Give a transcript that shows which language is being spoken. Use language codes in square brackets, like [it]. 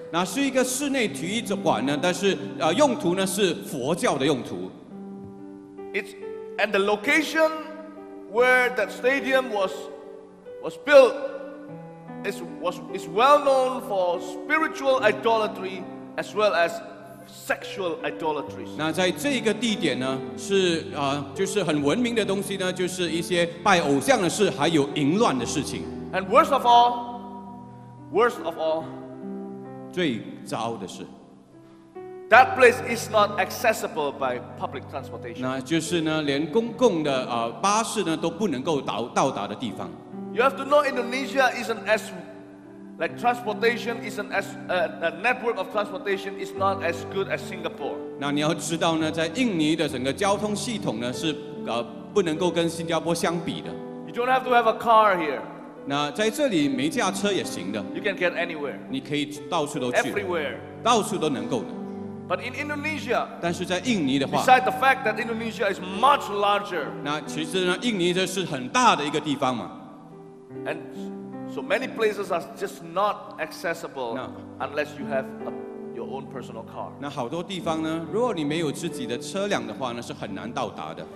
[zh] 那是一个室内体育馆呢，但是用途呢是佛教的用途。 [en] It's and the location where that stadium was built is well known for spiritual idolatry as well as sexual idolatries. [zh] 那在这个地点呢，是就是很文明的东西呢，就是一些拜偶像的事，还有淫乱的事情。 [en] And worst of all, [zh] 最糟的是 [en] ，that place is not accessible by public transportation. [zh] 那就是呢，连公共的巴士呢都不能够到达的地方。 [en] You have to know Indonesia isn't as like transportation isn't as a network of transportation is not as good as Singapore. [zh] 那你要知道呢，在印尼的整个交通系统呢是不能够跟新加坡相比的。 [en] You don't have to have a car here. [zh] 那在这里没驾车也行的。 [en] You can get anywhere. [zh] 你可以到处都去。 [en] Everywhere. [zh] 到处都能够的。 [en] But in Indonesia, [zh] 但是在印尼的话 [en] ，Besides the fact that Indonesia is much larger. [zh] 那其实呢，印尼这是很大的一个地方嘛。 [en] So many places are just not accessible unless you have your own personal car. [zh] 那好多地方呢，如果你没有自己的车辆的话呢，是很难到达的。